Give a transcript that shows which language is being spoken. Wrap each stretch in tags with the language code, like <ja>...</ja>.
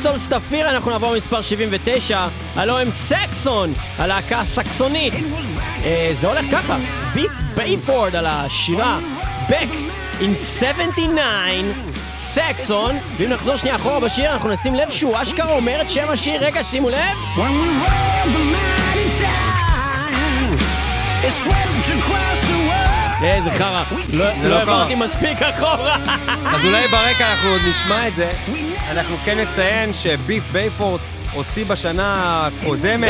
<he>סטפיר, אנחנו נעבור מספר 79, הלו הם סקסון, הלהקה הסקסונית. זה הולך ככה, ביף בייפורד על השירה, Back in 79, סקסון, ואם נחזור שנייה אחורה בשיר, אנחנו נשים לב שהוא אשכרה אומר את שם השיר, רגע, שימו לב.</he> <en>When we rolled the mighty sign, it swept across the world.</en> <he>איזה חרה, לא הבאתי מספיק אחורה. אז אולי ברקע אנחנו עוד נשמע את זה. אנחנו כן נציין שביף בייפורט הוציא בשנה הקודמת.</he>